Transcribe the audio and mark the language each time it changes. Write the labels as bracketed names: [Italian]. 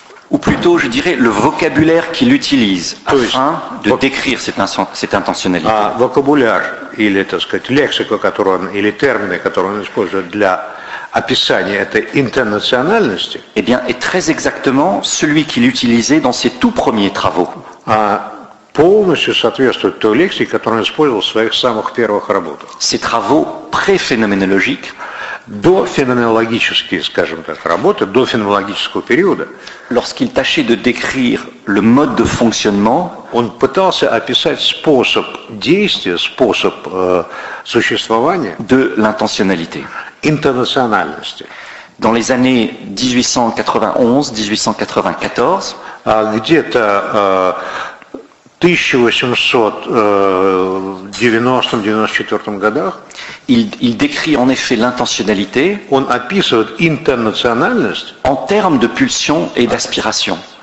[French] Ou plutôt, je dirais, le vocabulaire qu'il utilise afin de décrire cette intentionnalité. [Russian] Vocabulaire, или, так сказать, лексика, которую он, или термины, которые он использует для описания этой интернациональности, [French] eh bien, est très exactement celui qu'il utilisait dans ses tout premiers travaux. [Russian] Полностью соответствует той лексике, которую он использовал в своих самых первых работах. [French] Ses travaux préphénoménologiques. [Russian] До-феноменологические, скажем так, работы, до феноменологического периода. [French] Lorsqu'il tâchait de décrire le mode de fonctionnement, [Russian] он пытался описать способ действия, способ существования [French] de l'intentionnalité. [Russian] Интернациональности. [French] Dans les années 1891-1894, [Russian] где-то 1890-94 годах, [French] il décrit en effet l'intentionnalité, [Russian] он описывает интернациональность [French] en termes de pulsion et d'aspiration.